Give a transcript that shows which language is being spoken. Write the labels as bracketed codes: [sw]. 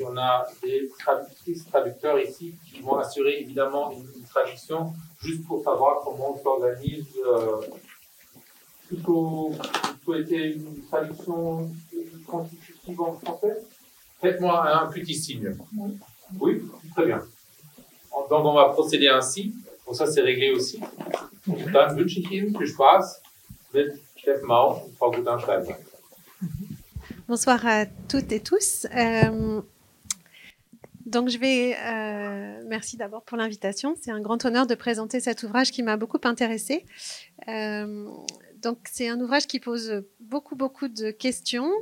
[fr] On a des traductrices, traducteurs ici qui vont assurer évidemment une traduction juste pour savoir comment on s'organise. Plutôt été une traduction constitutive en français? Faites-moi un petit signe. Oui, oui, très bien. Donc on va procéder ainsi. Donc ça, c'est réglé aussi. [de] Und dann wünsche ich Ihnen viel Spaß mit Steffen Mank und Frau Gudenstein. [fr] Bonsoir à toutes et tous. Donc je vais, merci d'abord pour l'invitation. C'est un grand honneur de présenter cet ouvrage qui m'a beaucoup intéressée. Donc c'est un ouvrage qui pose beaucoup de questions.